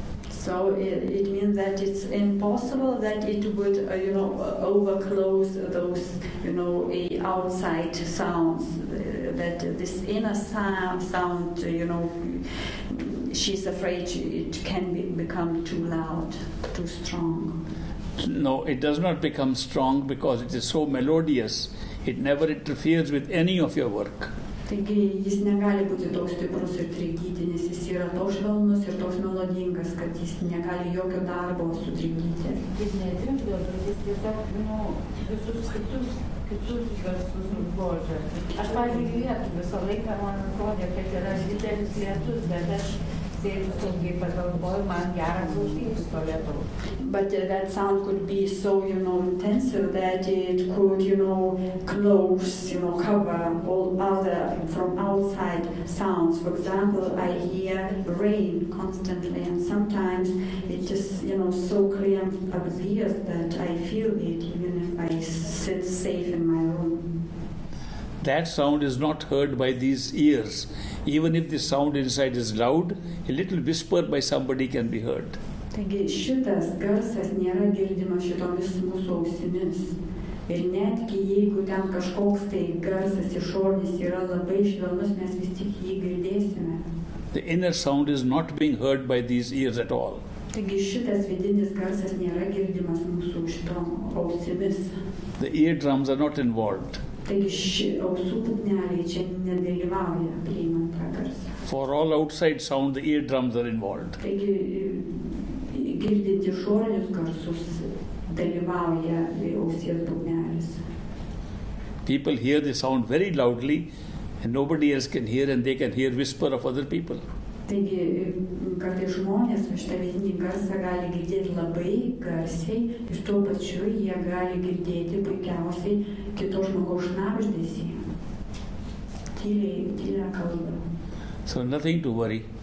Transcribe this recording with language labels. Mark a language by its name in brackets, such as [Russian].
[English] So it means that it's impossible that it would, you know, overclose those, you know, outside sounds, that this inner sound, you know, she's afraid it can become too loud, too strong. No, it does not become strong because it is so melodious. It never interferes with any of your work. [Lithuanian] Taigi jis negali būti toks stiprus ir trikdyti, nes jis yra toks švelnus ir toks melodingas, kad jis negali jokio darbo sutrikdyti. Jis netrikdo, jis tiesiog, nu, visus kitus garsus užgožia. Aš pavyzdžiui, lietu visą laiką, man atrodė, kad yra didelis lietus, bet aš sėdžiu saugiai pagalvoju, man gera klausytis to lietu. [English] But that sound could be so, you know, intensive that it could, you know, close, you know, cover all other from outside sounds. For example, I hear rain constantly, and sometimes it just, you know, so clear and obvious that I feel it even if I sit safe in my room. That sound is not heard by these ears. Even if the sound inside is loud, a little whisper by somebody can be heard. [Lithuanian] Taigi šitas garsas nėra girdimas šitomis mūsų ausimis. Ir netgi jeigu ten kažkoks tai garsas išorinis yra labai švelnus, mes vis tik jį girdėsime. [English] The inner sound is not being heard by these ears at all. [Lithuanian] Taigi šitas vidinis garsas nėra girdimas mūsų šitom ausimis. [English] The eardrums are not involved. [Lithuanian] Taigi ši ausų būgneliai čia nedalyvauja priimant tą garsą. [English] For all outside sound, the eardrums are involved. [Lithuanian] Taigi, girdint išorinius garsus, dalyvauja ausies būgnelis. [English] People hear the sound very loudly, and nobody else can hear, and they can hear whisper of other people. [Lithuanian] Taigi, kartais žmonės šitą vidinį garsą gali girdėti labai garsiai, ir tuo pačiu jie gali girdėti puikiausiai kito žmogaus šnabždesį. Tyliai kalba. [English] So nothing to worry.